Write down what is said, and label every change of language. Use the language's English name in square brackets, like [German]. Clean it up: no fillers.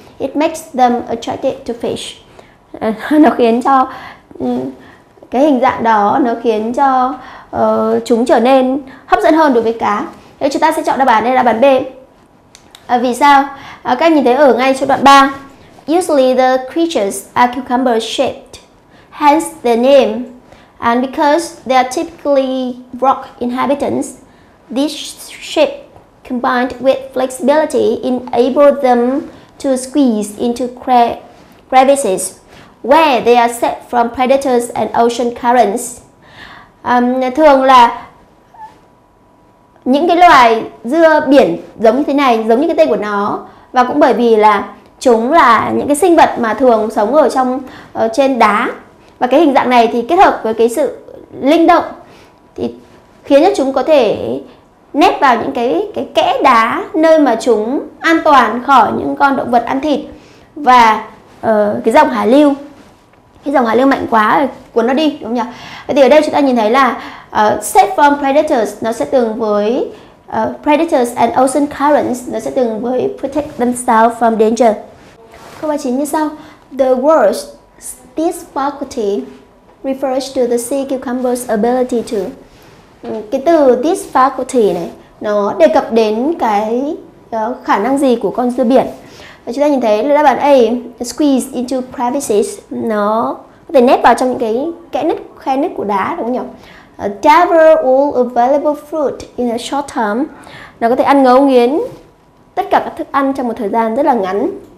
[English] It makes them attracted to fish. [Vietnamese] Nó khiến cho cái hình dạng đó, nó khiến cho chúng trở nên hấp dẫn hơn đối với cá. Thế chúng ta sẽ chọn đáp án đây là đáp án B. Vì sao? Các em nhìn thấy ở ngay trong đoạn 3. [English] Usually the creatures are cucumber shaped, hence the name. And because they are typically rock inhabitants, this shape combined with flexibility enable them to squeeze into crevices where they are safe from predators and ocean currents. [Vietnamese] Thường là những cái loài dưa biển giống như thế này, giống như cái tên của nó, và cũng bởi vì là chúng là những cái sinh vật mà thường sống ở trong trên đá, và cái hình dạng này thì kết hợp với cái sự linh động thì khiến cho chúng có thể nép vào những cái kẽ đá, nơi mà chúng an toàn khỏi những con động vật ăn thịt và cái dòng hải lưu. Cái dòng hải lưu mạnh quá cuốn nó đi, đúng không nhỉ? Thì ở đây chúng ta nhìn thấy là [English] safe from predators, [Vietnamese] nó sẽ tương với [English] predators and ocean currents, [Vietnamese] nó sẽ tương với [English] protect themselves from danger. [Vietnamese] Câu 39 như sau. [English] The words this faculty refers to the sea cucumber's ability to. [Vietnamese] Cái từ this faculty này nó đề cập đến cái khả năng gì của con dưa biển. Và chúng ta nhìn thấy là đáp án A, [English] squeeze into crevices, [Vietnamese] nó có thể nép vào trong những cái kẽ nứt, khe nứt của đá, đúng không nhỉ? [English] Devour all available fruit in a short term, [Vietnamese] nó có thể ăn ngấu nghiến tất cả các thức ăn trong một thời gian rất là ngắn.